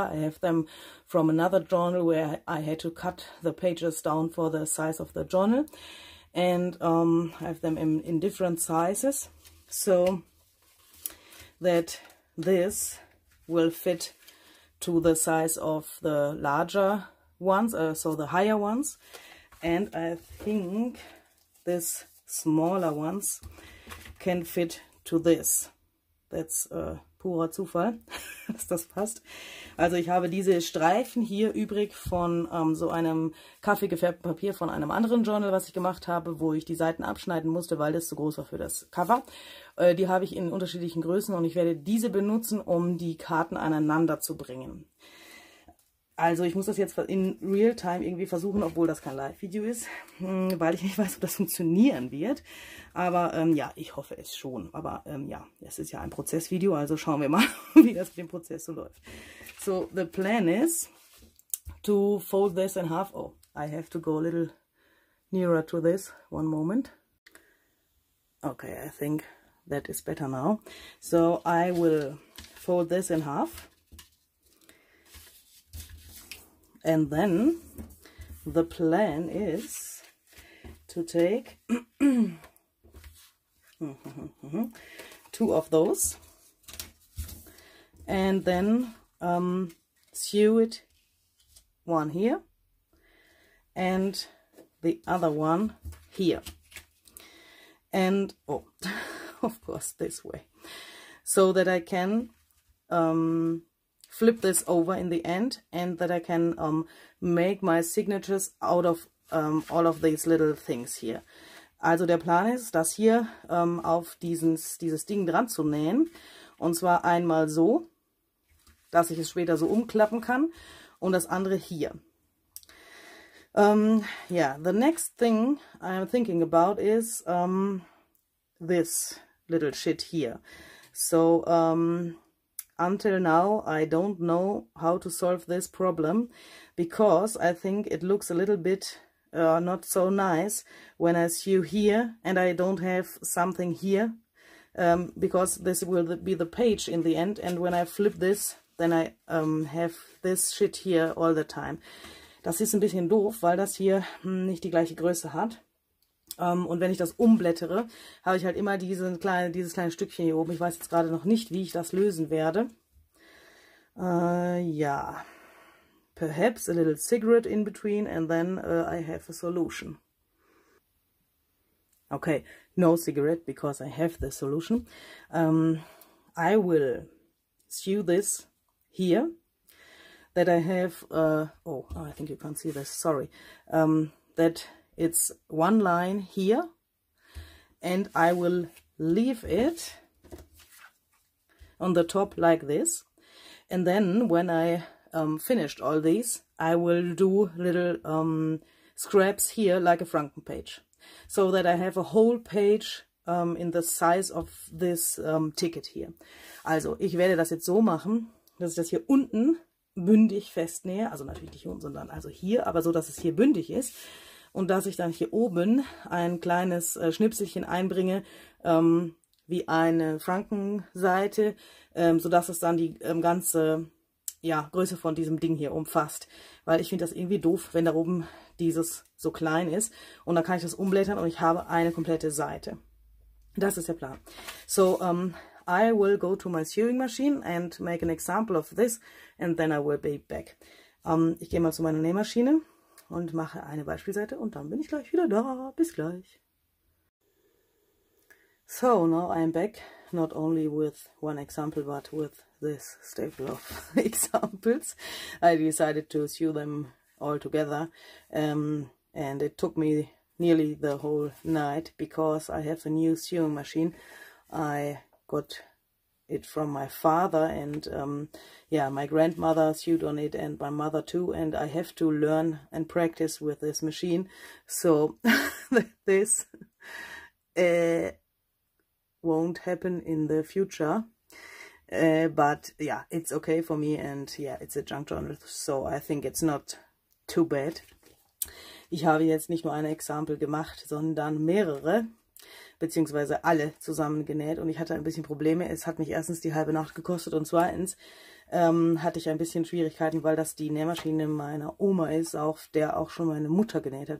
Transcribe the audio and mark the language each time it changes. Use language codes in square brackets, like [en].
[en] I have them from another journal where I had to cut the pages down for the size of the journal, and I have them in different sizes so that this will fit to the size of the larger ones, so the higher ones, and I think this smaller ones can fit to this. That's [de] purer Zufall, dass das passt. Also ich habe diese Streifen hier übrig von so einem kaffeegefärbten Papier von einem anderen Journal, was ich gemacht habe, wo ich die Seiten abschneiden musste, weil das zu groß war für das Cover. Die habe ich in unterschiedlichen Größen und ich werde diese benutzen, um die Karten aneinander zu bringen. Also ich muss das jetzt in Realtime irgendwie versuchen, obwohl das kein Live-Video ist, weil ich nicht weiß, ob das funktionieren wird. Aber ich hoffe es schon. Aber es ist ja ein Prozessvideo, also schauen wir mal, wie das mit dem Prozess so läuft. [en] So, the plan is to fold this in half. Oh, I have to go a little nearer to this. One moment. Okay, I think that is better now. So, I will fold this in half. And then the plan is to take two of those and then sew it, one here and the other one here. And of course this way, so that I can flip this over in the end, and that I can make my signatures out of all of these little things here. [de] Also der Plan ist, das hier auf dieses Ding dran zu nähen. Und zwar einmal so, dass ich es später so umklappen kann. Und das andere hier. [en] Yeah, the next thing I'm thinking about is this little shit here. So, until now I don't know how to solve this problem, because I think it looks a little bit not so nice when I sew here and I don't have something here, because this will be the page in the end, and when I flip this, then I have this shit here all the time. [de] Das ist ein bisschen doof, weil das hier nicht die gleiche Größe hat. Und wenn ich das umblättere, habe ich halt immer dieses kleine Stückchen hier oben. Ich weiß jetzt gerade noch nicht, wie ich das lösen werde. [en] Ja, perhaps a little cigarette in between and then I have a solution. Okay, no cigarette, because I have the solution. I will sew this here. That I have, I think you can't see this, sorry, that it's one line here, and I will leave it on the top like this, and then when I finished all these, I will do little scraps here like a Franken page, so that I have a whole page in the size of this ticket here. [de] Also, ich werde das jetzt so machen, dass ich das hier unten bündig festnähe, also natürlich nicht hier unten, sondern also hier, aber so, dass es hier bündig ist, und dass ich dann hier oben ein kleines Schnipselchen einbringe, wie eine Frankenseite, sodass es dann die ganze Größe von diesem Ding hier umfasst. Weil ich finde das irgendwie doof, wenn da oben dieses so klein ist, und dann kann ich das umblättern und ich habe eine komplette Seite. Das ist der Plan. [en] So, I will go to my sewing machine and make an example of this, and then I will be back. [de] Ich gehe mal zu meiner Nähmaschine und mache eine Beispielseite, und dann bin ich gleich wieder da. Bis gleich. [en] So, now I'm back, not only with one example, but with this staple of examples. I decided to sew them all together, and it took me nearly the whole night, because I have a new sewing machine. I got it from my father, and my grandmother sewed on it, and my mother too, and I have to learn and practice with this machine. So this won't happen in the future, but yeah, it's okay for me, and yeah, it's a junk journal, so I think it's not too bad. [de] Ich habe jetzt nicht nur ein Exempel gemacht, sondern mehrere, beziehungsweise alle zusammengenäht, und ich hatte ein bisschen Probleme. Es hat mich erstens die halbe Nacht gekostet, und zweitens hatte ich ein bisschen Schwierigkeiten, weil das die Nähmaschine meiner Oma ist, auf der auch schon meine Mutter genäht hat.